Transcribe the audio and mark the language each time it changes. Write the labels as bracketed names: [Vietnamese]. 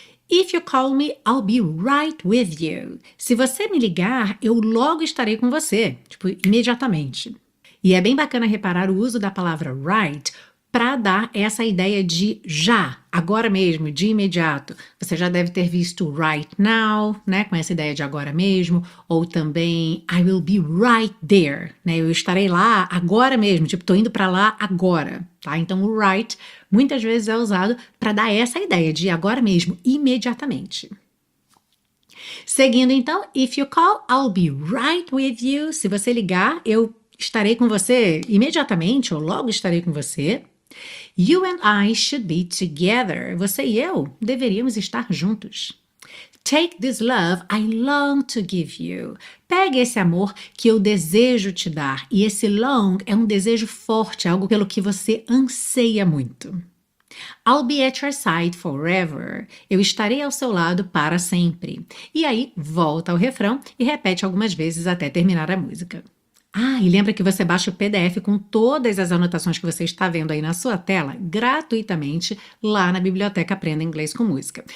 [English] If you call me, I'll be right with you. [Portuguese] Se você me ligar, eu logo estarei com você, tipo, imediatamente. E é bem bacana reparar o uso da palavra right para dar essa ideia de já, agora mesmo, de imediato. Você já deve ter visto right now, né, com essa ideia de agora mesmo, ou também [English] I will be right there, [Portuguese] né? Eu estarei lá agora mesmo, tipo, tô indo para lá agora, tá? Então, o right muitas vezes é usado para dar essa ideia de agora mesmo, imediatamente. Seguindo então, [English] if you call, I'll be right with you. [Portuguese] Se você ligar, eu estarei com você imediatamente, ou logo estarei com você. [English] You and I should be together. [Portuguese] Você e eu deveríamos estar juntos. [English] Take this love I long to give you. [Portuguese] Pegue esse amor que eu desejo te dar. E esse long é um desejo forte, algo pelo que você anseia muito. [English] I'll be at your side forever. [Portuguese] Eu estarei ao seu lado para sempre. E aí volta ao refrão e repete algumas vezes até terminar a música. Ah, e lembra que você baixa o PDF com todas as anotações que você está vendo aí na sua tela, gratuitamente, lá na Biblioteca Aprenda Inglês com Música.